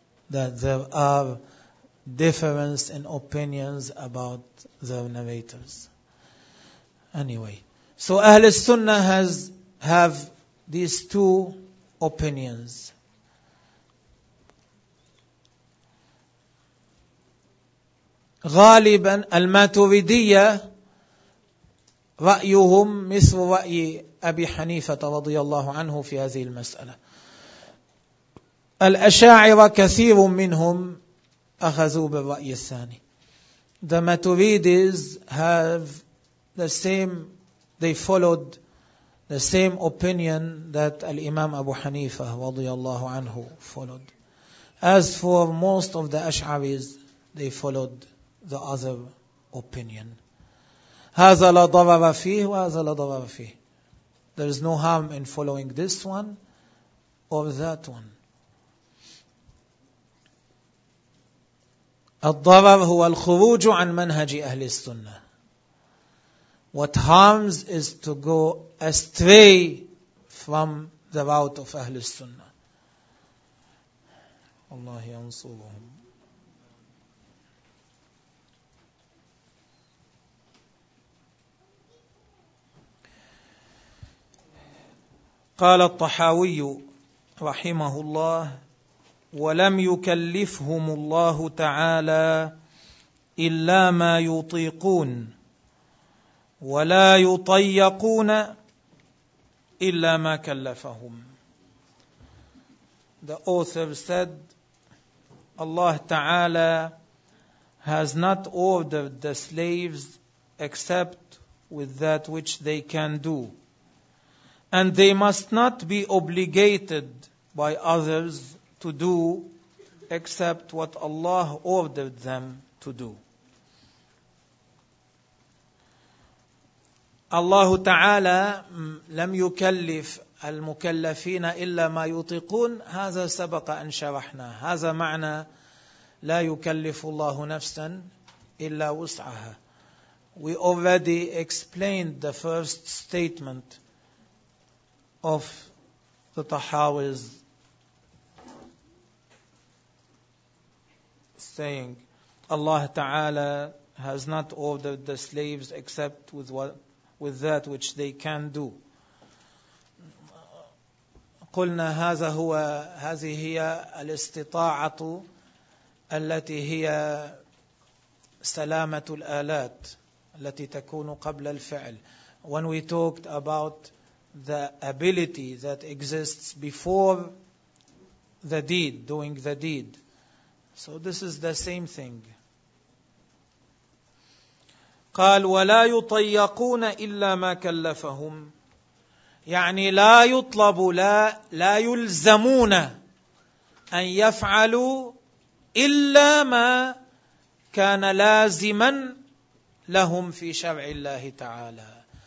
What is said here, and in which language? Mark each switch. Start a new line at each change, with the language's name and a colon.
English: That there are difference in opinions about the narrators. Anyway, so Ahl Sunnah have these two opinions.
Arabic: غالباً الماتريدية رأيهم مثل رأي أبي حنيفة رضي الله عنه في هذه المسألة. الأشاعرة كثير منهم أخذوا بالرأي الثاني.
English: The Maturidis have the same, they followed the same opinion that Imam Abu Hanifa
Arabic: رضي الله عنه
English: followed. As for most of the Ash'aris, they followed the other opinion.
Arabic: هذا لا ضرر فيه وهذا لا ضرر فيه.
English: There is no harm in following this one or that one.
Arabic: الضرر هو الخروج عن منهج أهل السنة.
English: What harms is to go astray from the route of أهل السنة.
Arabic: الله ينصرهم. قال الطحاوي رحمه الله ولم يكلفهم الله تعالى إلا ما يطيقون ولا يطيقون إلا ما كلفهم.
English: The author said, Allah Ta'ala has not ordered the slaves except with that which they can do. And they must not be obligated by others to do except what Allah ordered them to do.
Arabic: Allah Ta'ala لم يكلف المكلفين إلا ما يطيقون. هذا سبق أن شرحنا. هذا معنى لا يكلف الله نفسا إلا وسعها.
English: We already explained the first statement of the Tahawiz saying Allah Ta'ala has not ordered the slaves except with that which they can do.
Arabic: قلنا هذه هي الاستطاعة التي هي سلامة الآلات التي تكون قبل الفعل.
English: When we talked about the ability that exists before the deed, doing the deed. So this is the same thing.
Arabic: قال ولا يطيقون إلا ما كلفهم يعني لا يطلب لا يلزمون أن يفعلوا إلا ما كان لازما لهم في شرع الله تعالى.